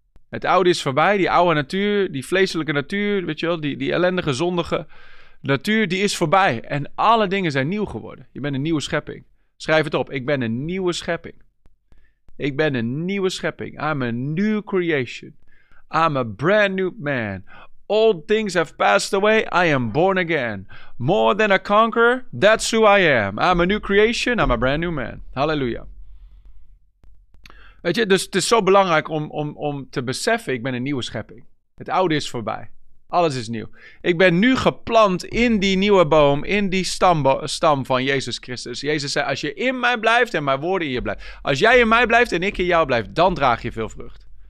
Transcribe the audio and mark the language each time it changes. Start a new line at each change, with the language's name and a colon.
Dutch: Het oude is voorbij, die oude natuur, die vleeselijke natuur, weet je wel, die ellendige, zondige natuur, die is voorbij. En alle dingen zijn nieuw geworden. Je bent een nieuwe schepping. Schrijf het op, ik ben een nieuwe schepping. Ik ben een nieuwe schepping.
English: I'm a new creation. I'm a brand new man. Old things have passed away. I am born again. More than a conqueror, that's who I am. I'm a new creation. I'm a brand new man. Halleluja.
Dutch: Weet je, dus het is zo belangrijk om te beseffen, ik ben een nieuwe schepping. Het oude is voorbij. Alles is nieuw. Ik ben nu geplant in die nieuwe boom, in die stam van Jezus Christus. Jezus zei, als je in mij blijft en mijn woorden in je blijft. Als jij in mij blijft en ik in jou blijf, dan draag je veel vrucht.